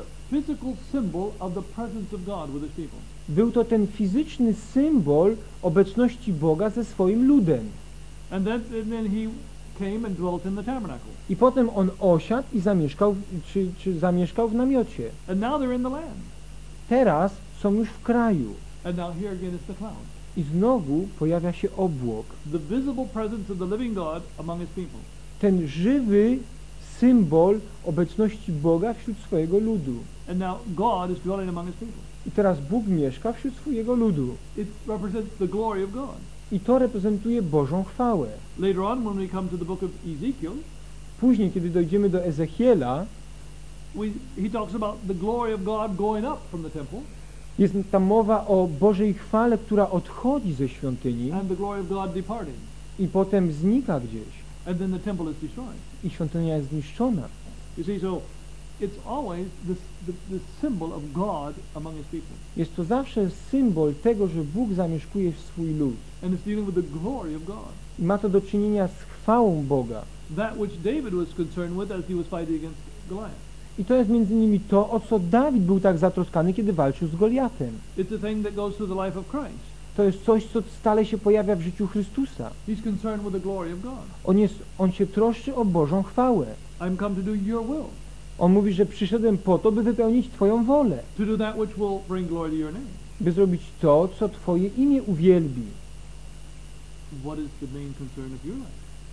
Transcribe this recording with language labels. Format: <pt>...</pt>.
<en>Physical symbol of the presence of God with his people.</en> <pl>Był to ten fizyczny symbol obecności Boga ze swoim ludem.</pl> <en>And then he came and dwelt in the tabernacle.</en> <pl>I potem on osiadł i zamieszkał, czy zamieszkał w namiocie.</pl> <en>And now they're in the land.</en> <pl>Teraz są już w kraju.</pl> <en>And now here again is the cloud.</en> <pl>I znowu pojawia się obłok.</pl> <en>The visible presence of the living God among his people.</en> <pl>Ten żywy symbol obecności Boga wśród swojego ludu.</pl> <en>And now God is dwelling among his people.</en> <pl>I teraz Bóg mieszka wśród swojego ludu.</pl> <en>It represents the glory of God.</en> <pl>I to reprezentuje Bożą chwałę.</pl> <en>Later on, when we come to the book of Ezekiel,</en> <pl>później, kiedy dojdziemy do Ezechiela,</pl> <en>he talks about the glory of God going up from the temple.</en> <pl>Jest tam mowa o Bożej chwale, która odchodzi ze świątyni.</pl> <en>And the glory of God departing.</en> <pl>I potem znika gdzieś.</pl> <en>And then the temple is destroyed.</en> <pl>I świątynia jest zniszczona.</pl> <en>You see, so it's always the symbol of God among his people.</en> <pl>Jest to zawsze symbol tego, że Bóg zamieszkuje w swój lud.</pl> <en>And it's dealing with the glory of God.</en> <pl>I ma to do czynienia z chwałą Boga.</pl> <en>That which David was concerned with as he was fighting against Goliath.</en> <pl>I to jest między innymi to, o co Dawid był tak zatroskany, kiedy walczył z Goliatem.</pl> <en>It's a thing that goes through the life of Christ.</en> <pl>To jest coś, co stale się pojawia w życiu Chrystusa.</pl> <en>He's concerned with the glory of God.</en> <pl>On się troszczy o Bożą chwałę.</pl> <en>I'm come to do your will.</en> <pl>On mówi, że przyszedłem po to, by wypełnić Twoją wolę.</pl> <en>To do that which will bring glory to your name.</en> <pl>By zrobić to, co Twoje imię uwielbi.</pl> <en>What is the main concern of your life?</en>